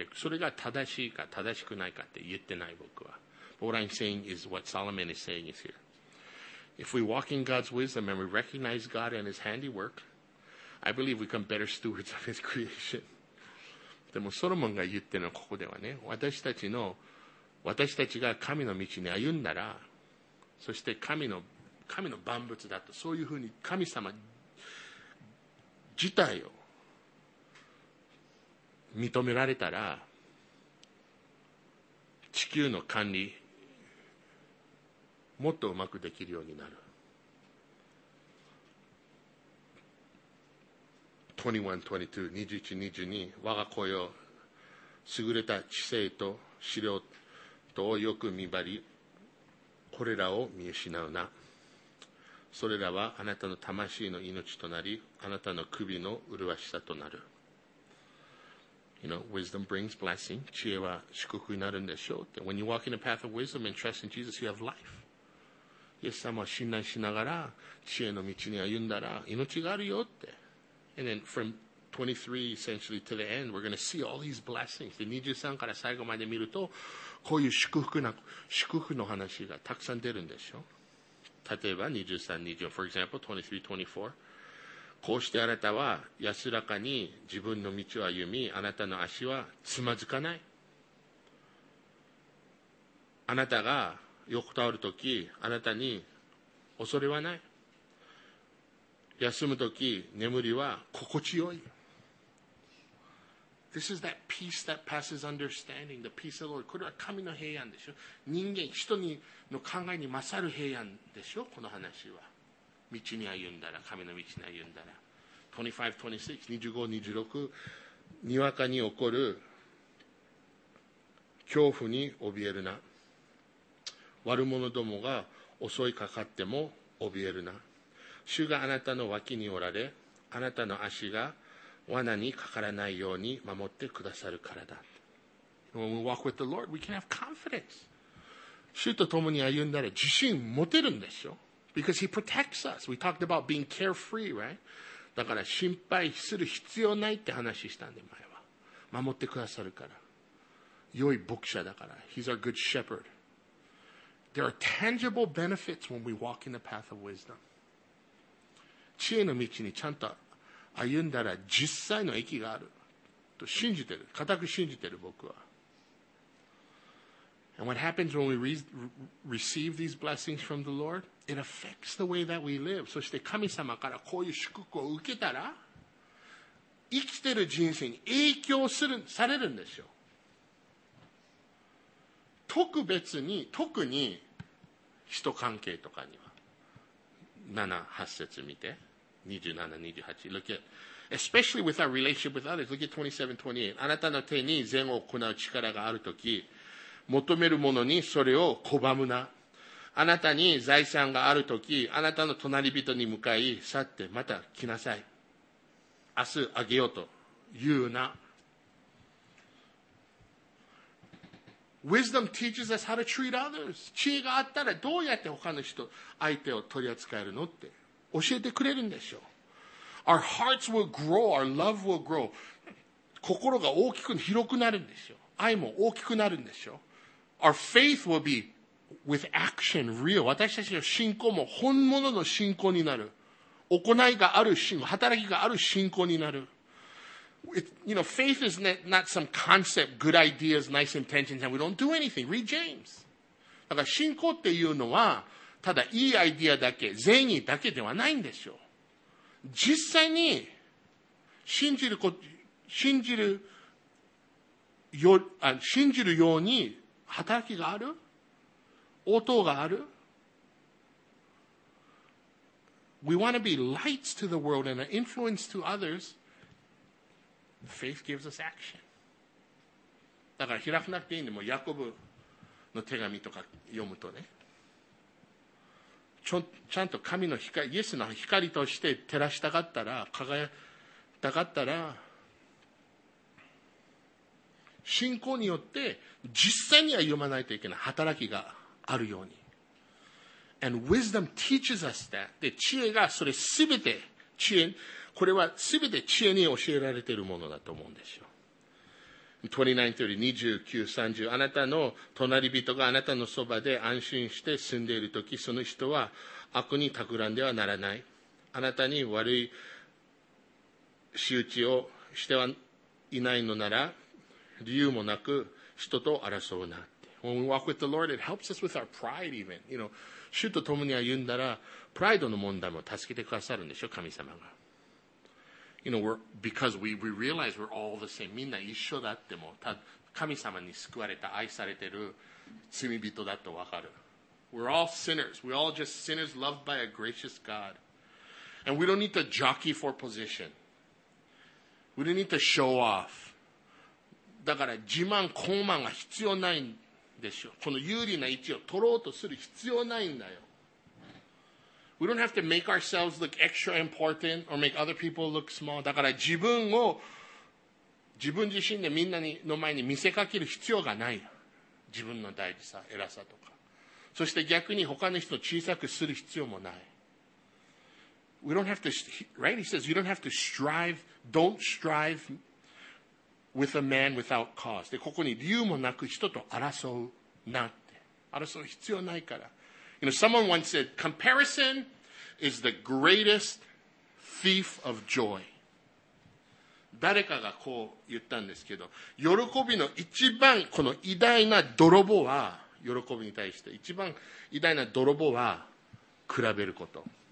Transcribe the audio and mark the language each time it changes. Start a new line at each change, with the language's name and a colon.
Japanese: で、それが正しいか正しくないかって言ってない僕は。
English: But what I'm saying is what Solomon is saying is here. If we walk in God's wisdom and we recognize God and His handiwork, I believe we become better stewards of His creation.
Japanese: でもソロモンが言ってるのはここではね、私たちが神の道に歩んだら、そして神の万物だと、そういうふうに神様自体を認められたら、地球の管理もっとうまくできるようになる。 21-22 21-22、 我が子よ、優れた知性と資料をよく見張り、これらを見失うな。それらはあなたの魂の命となり、あなたの首の麗しさとなる。
English: You know, wisdom brings blessing.
Japanese: 知恵は祝福になるんでしょう。
English: When you walk in the path of wisdom and trust in Jesus, you have life.
Japanese: イエス様を信頼しながら知恵の道に歩んだら命があるよって。
English: And then from 23 essentially to the end, we're going to see all these blessings.
Japanese: 23から最後まで見るとこういう祝福の話がたくさん出るんでしょう。例えば23、24、
English: For example, 23、24。
Japanese: こうしてあなたは安らかに自分の道を歩み、あなたの足はつまずかない。あなたが横たわるとき、あなたに恐れはない。休むとき、眠りは心地よい。
English: This is that peace that passes understanding, the peace of the Lord.
Japanese: これは神の平安でしょ。人間、人にの考えに勝る平安でしょ、この話は。道に歩んだら、神の道に歩んだら。 25、26、にわかに起こる恐怖に怯えるな。悪者どもが襲いかかっても怯えるな。主があなたの脇におられ、あなたの足が罠にかからないように守ってくださるからだ。
English: When we walk with the Lord, we can have confidence.
Japanese: 主と共に歩んだら自信持てるんでしょ。
English: Because he protects us. We talked about being carefree, right?
Japanese: だから心配する必要ないって話したんで、前は。守ってくださるから。良い牧者だから。
English: He's our good shepherd. There are tangible benefits when we walk in the path of wisdom.
Japanese: 知恵の道にちゃんと歩んだら実際の益があると信じてる。固く信じてる、僕は。
English: And what happens when we receive these blessings from the Lord? It affects the way that we live.
Japanese: そして神様からこういう祝福を受けたら、生きてる人生に影響する、されるんですよ。特別に、特に人関係とかには。 7、8節見て。27、28。
English: Look at, especially with our relationship with others. Look at 27, 28.
Japanese: あなたの手に善を行う力があるとき、求めるものにそれを拒むな。あなたに財産があるとき、あなたの隣人に向かい去ってまた来なさい。明日あげようと言うな。
English: Wisdom teaches us how to treat others.
Japanese: 知恵があったらどうやって他の人、相手を取り扱えるのって教えてくれるんでしょう。
English: Our hearts will grow, our love will grow.
Japanese: 心が大きく広くなるんでしょう。愛も大きくなるんでしょう。
English: Our faith will be with action real.
Japanese: 私たちの信仰も本物の信仰になる。行いがある信仰、働きがある信仰になる。
English: You know, faith is not some concept, good ideas, nice intentions, and we don't do anything. Read James.
Japanese: だから信仰っていうのは、ただいいアイディアだけ、善意だけではないんですよ。実際に信じる、信じるよ、あ、信じるように働きがある、応答がある。
English: We want to be lights to the world and an influence to others. Faith gives us action.
Japanese: だから開かなくていいんで、もうヤコブの手紙とか読むとね。ちゃんと神の光、イエスの光として照らしたかったら、輝きたかったら、信仰によって実際には読まないといけない働きがあるように。
English: And wisdom teaches us that.
Japanese: で、知恵がそれすべて、知恵、これはすべて知恵に教えられているものだと思うんですよ。 29、30。あなたの隣人があなたのそばで安心して住んでいるとき、その人は悪に企んではならない。あなたに悪い仕打ちをしてはいないのなら、理由もなく人と争うなって。
English: When we walk with the Lord, it helps us with our pride even. You know,
Japanese: 主と共に歩んだら、プライドの問題も助けてくださるんでしょ、神様が。
English: You know, because we realize we're all the same.
Japanese: みんな一緒だっても、神様に救われた、愛されてる罪人だとわかる。
English: We're all sinners. We're all just sinners loved by a gracious God. And we don't need to jockey for position. We don't need to show off.
Japanese: だから自慢、高慢が必要ないんでしょ。この有利な位置を取ろうとする必要ないんだよ。
English: We don't have to make ourselves look extra important or make other people look small.
Japanese: だから自分を自分自身でみんなの前に見せかける必要がない。自分の大事さ、偉さとか。そして逆に他の人を小さくする必要もない。
English: We don't have to, right? He says, you don't have to strive, don't strive with a man without cause.
Japanese: で、ここに理由もなく人と争うなって。争う必要ないから。
English: You know, someone once said, comparison is the greatest thief of joy.
Japanese: 誰かがこう言ったんですけど、喜びの一番この偉大な泥棒は、喜びに対して一番偉大な泥棒は比べること。